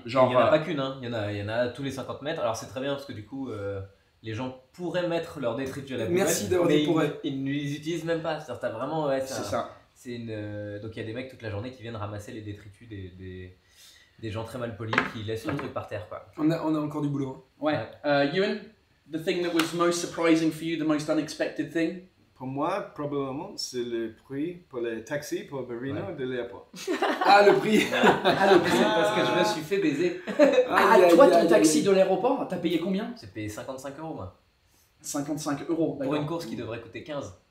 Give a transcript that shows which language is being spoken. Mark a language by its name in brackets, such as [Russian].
[French] Genre, il n'y en a pas qu'une, hein. Il y en a tous les 50 mètres. Alors c'est très bien parce que du coup... les gens pourraient mettre leur détritus à la poubelle, mais ils ne les utilisent même pas. C'est-à-dire, t'as vraiment, donc il y a des mecs toute la journée qui viennent ramasser les détritus des gens très mal polis qui laissent le truc par terre, quoi. On a encore du boulot. Hein. Ouais. [English] Ewan, the thing that was most surprising for you, the most unexpected thing? [French] Pour moi, probablement, c'est le prix pour les taxis pour Berlin de l'aéroport. Ah, le prix. C'est parce que je me suis fait baiser. Ton taxi de l'aéroport, t'as payé combien? J'ai payé 55 euros, moi. 55 euros, d'accord. Pour une course qui devrait coûter 15.